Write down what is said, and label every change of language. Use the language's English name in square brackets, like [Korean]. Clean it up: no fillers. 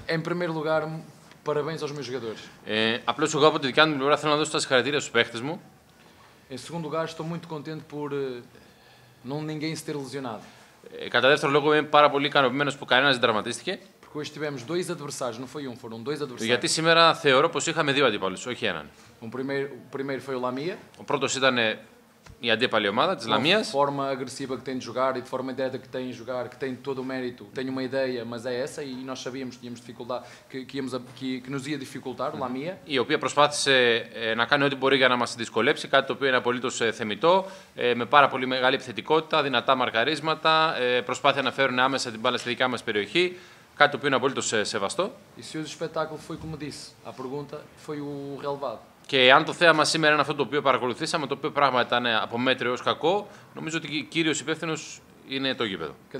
[Portuguese] Em primeiro lugar, parabéns aos meus jogadores. [Greek] Απλώς εγώ από την δικιά μου πλευρά θέλω να δώσω τα συγχαρητήρια στους παίχτες μου. [Portuguese] Em segundo lugar, estou muito contente por não ninguém se ter lesionado. [Greek] Κατά δεύτερο λόγο, είμαι πάρα πολύ ικανοποιημένος που κανένας δεν τραυματίστηκε. [Portuguese] Porque hoje tivemos dois adversários, não foi um, foram dois adversários. [Greek] Γιατί σήμερα θεωρώ πως είχαμε δύο αντιπάλους, όχι έναν. [Portuguese] O primeiro foi o Lamia. [Greek] Ο πρώτος ήταν η αντίπαλη ομάδα της Λαμίας. [Portuguese] De forma agressiva que tem de jogar e de forma direta que tem de jogar, que tem todo o mérito. Tenho uma ideia, mas é essa e nós sabíamos que tínhamos dificuldade, que nos ia dificultar, o Lamia. [Greek] Η οποία προσπάθησε να κάνει ό,τι μπορεί για να μας δυσκολέψει, κάτι το οποίο είναι απολύτως θεμητό, με πάρα πολύ μεγάλη επιθετικότητα, δυνατά μαρκαρίσματα, προσπάθεια να φέρουν άμεσα την μπάλα στη δικιά μας περιοχή, κάτι το οποίο είναι απολύτως σεβαστό. [Portuguese] E se hoje o espetáculo foi como disse, a pergunta foi o relevado. [Greek] Και αν το θέμα σήμερα είναι αυτό το οποίο παρακολουθήσαμε, το οποίο πράγμα ήταν από μέτριο έως κακό, νομίζω ότι κύριος υπεύθυνος είναι το γήπεδο.